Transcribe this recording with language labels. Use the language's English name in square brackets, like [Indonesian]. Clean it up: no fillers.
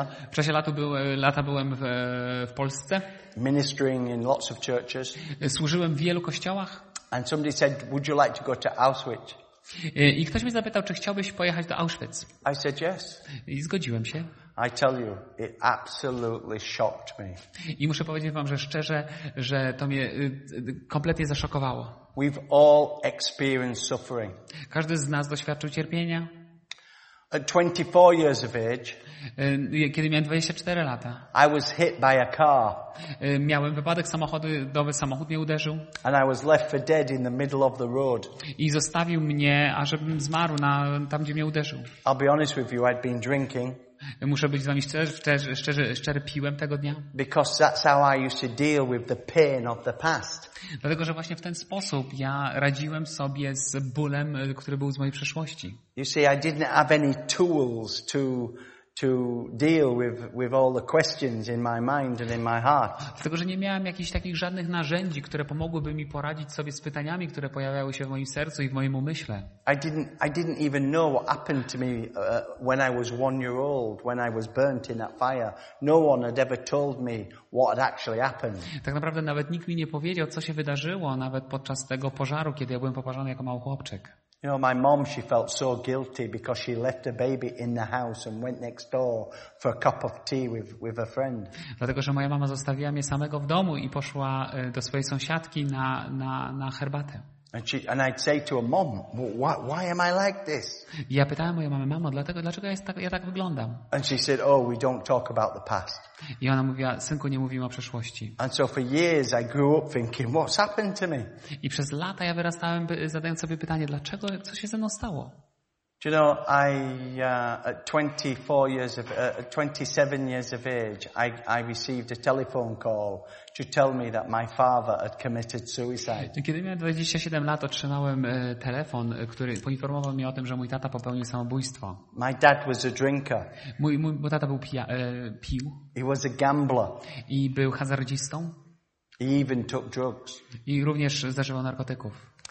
[Polish] W czasie lata byłem w Polsce. [English] Ministering in lots of churches. [Polish] Służyłem w wielu kościołach. [English] And somebody said, would you like to go to Auschwitz? [Polish] I ktoś mnie zapytał, czy chciałbyś pojechać do Auschwitz. [English] I said yes. [Polish] I zgodziłem się. [English] I tell you, it absolutely shocked me. [Polish] I muszę powiedzieć wam, że szczerze, że to mnie kompletnie zaszokowało. [English] We've all experienced suffering. [Polish] Każdy z nas doświadczył cierpienia. [English] At 24 years of age, [Polish] kiedy miałem 24 lata, [English] I was hit by a car. [Polish] Miałem wypadek samochodowy, samochód mnie uderzył. [English] And I was left for dead in the middle of the road. [Polish] I zostawił mnie, ażebym zmarł tam, gdzie mnie uderzył. [English] I'll be honest with you, I'd been drinking. [Polish] Muszę być z wami szczerze, piłem tego dnia. [English] Because that's how I used to deal with the pain of the past. [Polish] Dlatego, że właśnie w ten sposób ja radziłem sobie z bólem, który był z mojej przeszłości. [English] You see, I didn't have any tools to deal with all the questions in my mind and in my heart. [Polish] Dlatego, że nie miałem jakichś takich żadnych narzędzi, które pomogłyby mi poradzić sobie z pytaniami, które pojawiały się w moim sercu i w moim umyśle. [English] I didn't even know what happened to me when I was 1 year old, when I was burnt in that fire. No one had ever told me what had actually happened. [Polish] Tak naprawdę nawet nikt mi nie powiedział, co się wydarzyło nawet podczas tego pożaru, kiedy ja byłem poparzony jako mały chłopczyk. [English] You know, my mom, she felt so guilty because she left a baby in the house and went next door for a cup of tea with a friend. [Polish] Dlatego, że moja mama zostawiła mnie samego w domu i poszła do swojej sąsiadki na herbatę. [English] And I'd say to her, "Mom, why am I like this?" [Polish] Ja pytałem mojej mamy, mamo, dlaczego ja tak wyglądam? [English] And she said, "Oh, we don't talk about the past." [Polish] I ona mówiła, synku, nie mówimy o przeszłości. [English] And so for years I grew up thinking, "What's happened to me?" [Polish] I przez lata ja wyrastałem, zadając sobie pytanie, dlaczego, co się ze mną stało? [English] Do you know, I at 24 years of 27 years of age, I received a telephone call to tell me that my father had committed suicide. [Polish] Kiedy miałem 27 lat, otrzymałem telefon, który poinformował mnie o tym, że mój tata popełnił samobójstwo. [English] My dad was a drinker. [Polish] Mój tata był pił. [English] He was a gambler. [Polish] I był hazardzistą. [English] He even took drugs. [Polish] I również zażywał narkotyków.